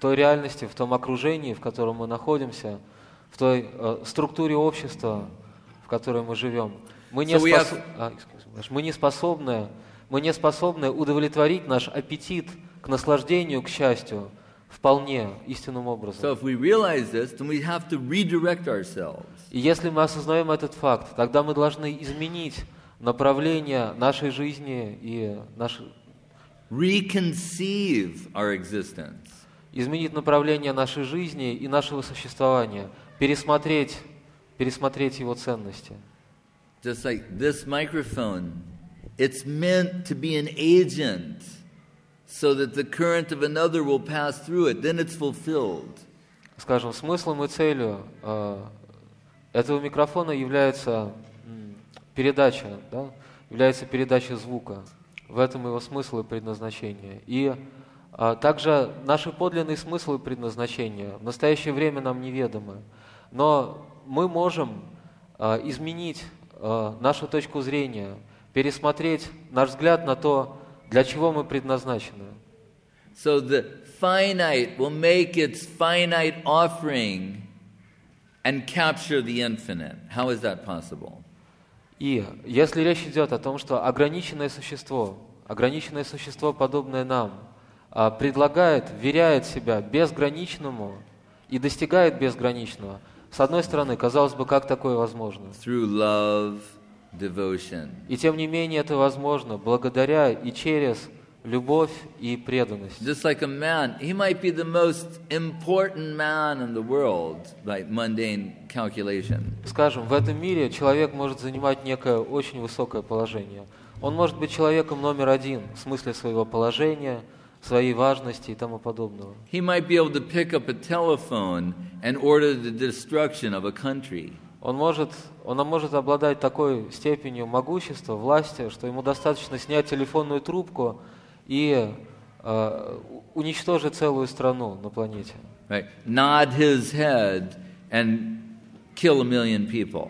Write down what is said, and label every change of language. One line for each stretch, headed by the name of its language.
Russian: той реальности, в том окружении, в котором мы находимся, в той структуре общества, в которой мы живем, мы не способны удовлетворить наш аппетит к наслаждению, к счастью вполне истинным образом.
English: So if we realize this, then we have to redirect ourselves.
Russian: И если мы осознаем этот факт, тогда мы должны изменить направление нашей жизни и
English: Reconceive our existence.
Russian: Изменить направление нашей жизни и нашего существования, пересмотреть его ценности.
English: Just like this microphone, it's meant to be an agent so that the current of another will pass through it, then it's fulfilled.
Russian: Скажем, смыслом и целью этого микрофона является передача, да? Является передача звука. В этом его смысл и предназначение. И также наши подлинные смыслы и предназначения в настоящее время нам неведомы. Но мы можем изменить нашу точку зрения, пересмотреть наш взгляд на то, для чего мы предназначены.
English: So the finite will make its finite offering and capture the infinite. How is that possible?
Russian: И если речь идет о том, что ограниченное существо, подобное нам, предлагает, вверяет себя безграничному и достигает безграничного, с одной стороны, казалось бы, как такое возможно?
English: Through love, devotion.
Russian: И тем не менее это возможно благодаря и через любовь и преданность.
English: Just like a man, he might be the most important man in the world by mundane calculation.
Russian: Скажем, в этом мире человек может занимать некое очень высокое положение. Он может быть человеком номер один в смысле своего положения, своей важности и тому подобного.
English: He might be able to pick up a telephone and order the destruction of a country.
Russian: Он может обладать такой степенью могущества, власти, что ему достаточно снять телефонную трубку и уничтожить целую страну на планете.
English: Right. Nod his head and kill a million people.